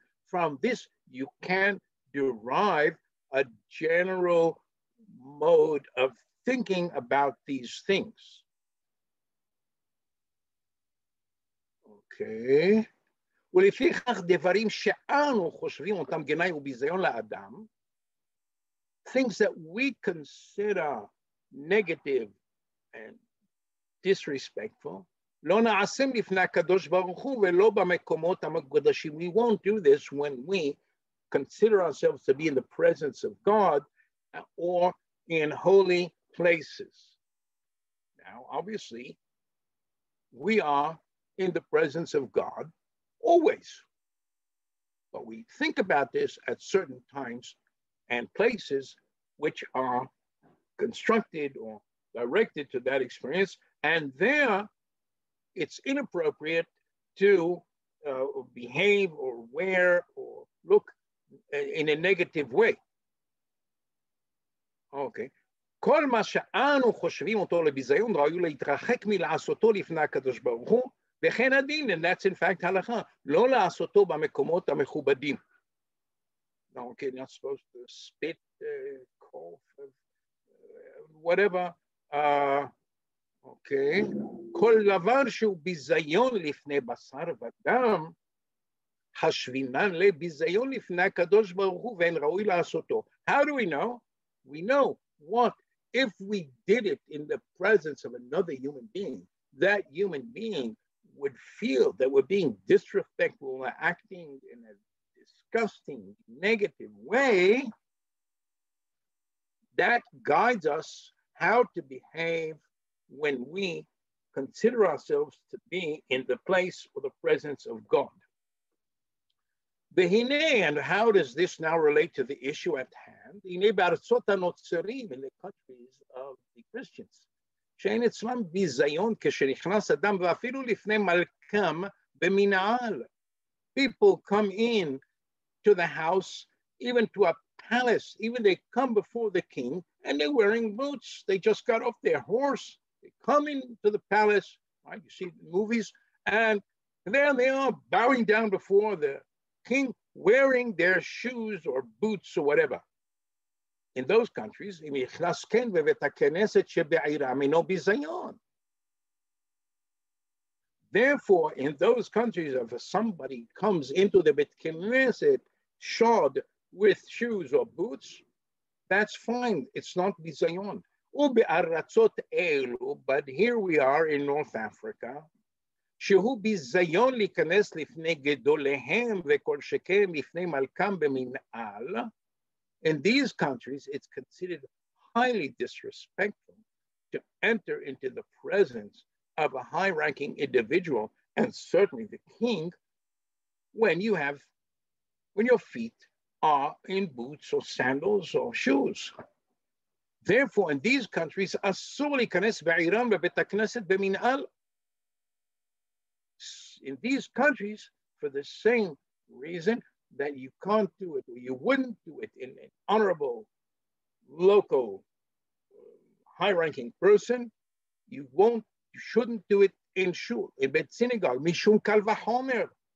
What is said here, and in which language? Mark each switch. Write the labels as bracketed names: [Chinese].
[English] From this, you can derive a general mode of thinking about these things. Okay. [Hebrew] ולפיכך דברים שאנו חושבים אותם גנאי וביזיון לאדם, [English] things that we consider negative and disrespectful, [Hebrew] לא נעשים לפני הקדוש ברוך הוא ולא במקומות המקודשים. [English] We won't do this when we consider ourselves to be in the presence of God or in holy places. Now, obviously, we are in the presence of God always. But we think about this at certain times and places which are constructed or directed to that experience. And there, it's inappropriate to behave or wear or look in a negative way. Okay. [Hebrew] כל מה שאנו חושבים אותו לביזיון ראוי להתרחק מלעשותו לפני הקדוש ברוך הוא, וכן הדין, [English] and that's in fact [Hebrew] הלכה, לא לעשותו במקומות המכובדים. [English] No, okay, you're not supposed to spit, cough, whatever. Okay. [Hebrew] כל דבר שהוא ביזיון לפני בשר ודם, השבינן לביזיון לפני הקדוש ברוך הוא ואין ראוי לעשותו. [English] How do we know? We know what if we did it in the presence of another human being, that human being would feel that we're being disrespectful or acting in a disgusting, negative way, that guides us how to behave when we consider ourselves to be in the place or the presence of God. Behine, and how does this now relate to the issue at hand? [Hebrew] Behine ba'arzot ha'notzerim, [English] in the countries of the Christians. [Hebrew] שאין אצלם ביזיון כשנכנס אדם ואפילו לפני מלכם במנהל. [English] People come in to the house, even to a palace, even they come before the king and they're wearing boots. They just got off their horse. They come into the palace, right? You see the movies, and there they are bowing down before the king, wearing their shoes or boots or whatever. In those countries, [Hebrew] אם יכנס כן בבית הכנסת שבעירם, אינו ביזיון. [English] Therefore, in those countries, if somebody comes into the בית כנסת shod with shoes or boots, that's fine, it's not ביזיון. [Hebrew] ובארצות אלו, [English] but here we are in North Africa, [Hebrew] שהוא ביזיון להיכנס לפני גדוליהם וכל שכם לפני מלכם במנעל, [English] in these countries, it's considered highly disrespectful to enter into the presence of a high-ranking individual, and certainly the king, when your feet are in boots or sandals or shoes. Therefore, in these countries, [Hebrew] אסור להיכנס בעירם בבית הכנסת במנעל. [English] In these countries, for the same reason, that you can't do it, or you wouldn't do it in an honorable, local, high-ranking person, you shouldn't do it in shul, in bet synagogue, [Hebrew] mishum kal vachomer.